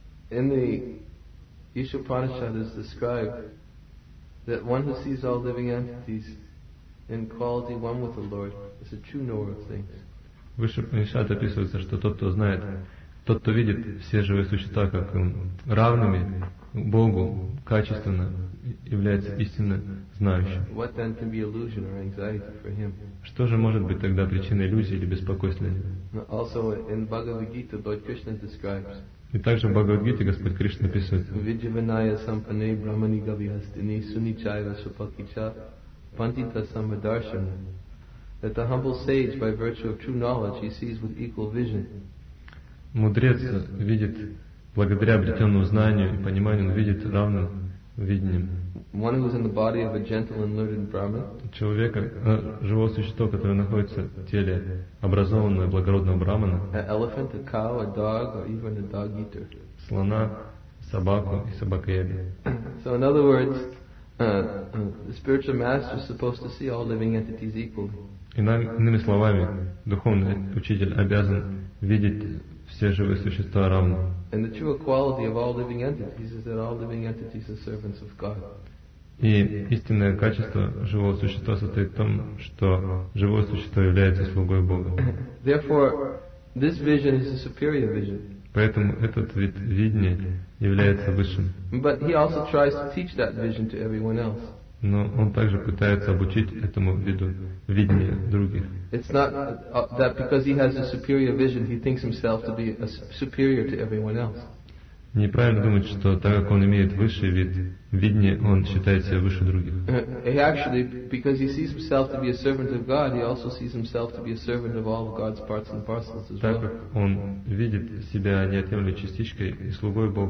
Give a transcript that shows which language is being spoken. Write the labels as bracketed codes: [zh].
[en] In the Isha-Upanishad is described that one who sees all living entities in quality one with the Lord is a true knower of things. [ru] В Исхат описывается, что тот, кто знает, тот, кто видит все живые существа как равными Богу, качественно является истинно знающим. Что же может быть тогда причиной иллюзии или беспокойства для него? И также в Бхагавад-гите Господь Кришна описывает [sa] «Видживаная сампане брамани гавьястини суничаева супакича пантита самадаршана». [en] That the humble sage, by virtue of true knowledge, he sees with equal vision. [ru] Мудрец видит, благодаря обретенному знанию и пониманию, он видит равным видением. [en] One who is in the body of a gentle and learned Brahmin. [ru] Человека, живого существа, которое находится в теле образованного и благородного брахмана. [en] An elephant, a cow, a dog, or even a dog eater. [ru] Слона, собаку и собакоеда. [en] So in other words, the spiritual master is supposed to see all living entities equally. [ru] Иными словами, духовный учитель обязан видеть все живые существа равно. [en] And the true equality of all living entities is that all living entities are servants of God. [ru] И истинное качество живого существа состоит в том, что живое существо является слугой Бога. [en] Therefore, this vision is a superior vision. [ru] Поэтому этот вид видения является высшим. [en] But he also tries to teach that vision to everyone else. [ru] Но он также пытается обучить этому виду видения других. [en] It's not that because he has a superior vision, he thinks himself to be superior to everyone else. [ru] Неправильно думать, что так как он имеет высший вид видения, он считает себя выше других. [en] He actually, because he sees himself to be a servant of God, he also sees himself to be a servant of all of God's parts and parcels as well. [ru] Так как он видит себя неотъемлемой частичкой и слугой Бога.